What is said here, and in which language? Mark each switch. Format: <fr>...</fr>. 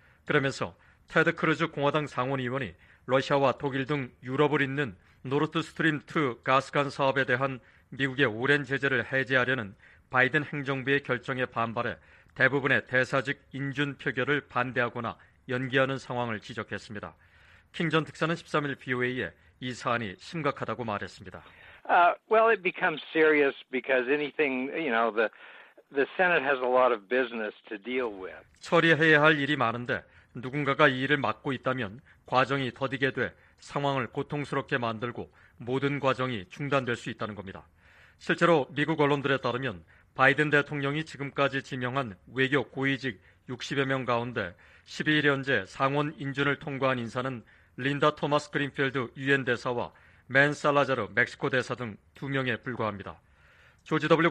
<ko>그러면서 테드 크루즈 공화당 상원의원이 러시아와 독일 등 유럽을 잇는 노르트 스트림 2 가스관 사업에 대한 미국의 오랜 제재를 해제하려는 바이든 행정부의 결정에 반발해 대부분의 대사직 인준 표결을 반대하거나 연기하는 상황을 지적했습니다. 킹 전 특사는 13일 BOA에 이 사안이 심각하다고 말했습니다.</ko> <en>It becomes serious because anything, you know, the Senate has a lot of business to deal with.</en> <ko>처리해야 할 일이 많은데 누군가가 이 일을 맡고 있다면 과정이 더디게 돼 상황을 고통스럽게 만들고 모든 과정이 중단될 수 있다는 겁니다. 실제로 미국 언론들에 따르면 바이든 대통령이 지금까지 지명한 외교 고위직 60여 명 가운데 12일 현재 상원 인준을 통과한 인사는 린다 토마스 그린필드 유엔 대사와 맨 살라자르 멕시코 대사 등 두 명에 불과합니다. 조지 W.</ko>